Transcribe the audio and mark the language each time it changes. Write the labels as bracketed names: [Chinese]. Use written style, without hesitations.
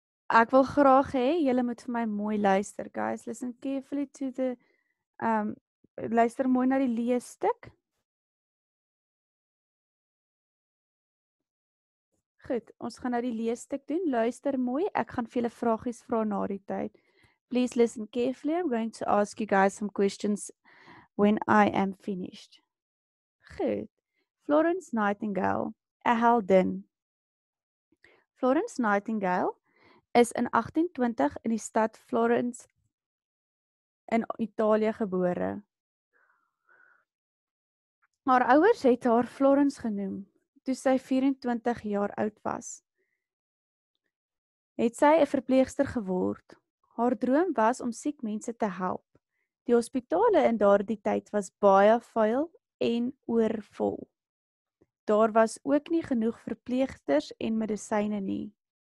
[Afrikaans] Ek wil graag hê julle moet vir my mooi luister, guys. [English] Listen carefully to the [Afrikaans] luister mooi na die leesstuk. Goed, ons gaan nou die leesstuk doen. Luister mooi. Ek gaan vir julle vragies vra na die tyd. [English] Please listen carefully. I'm going to ask you guys some questions when I am finished. [Afrikaans] Goed. Florence Nightingale, a heldin. Florence Nightingale is in 1820 in die stad Florence in Italië gebore. Haar ouers het haar Florence genoem. Toe sy 24 jaar oud was, het sy 'n verpleegster geword. Haar droom was om siek mense te help. Die hospitale in daardie tyd was baie vuil en oorvol. Daar was ook nie genoeg verpleegsters en medisyne nie.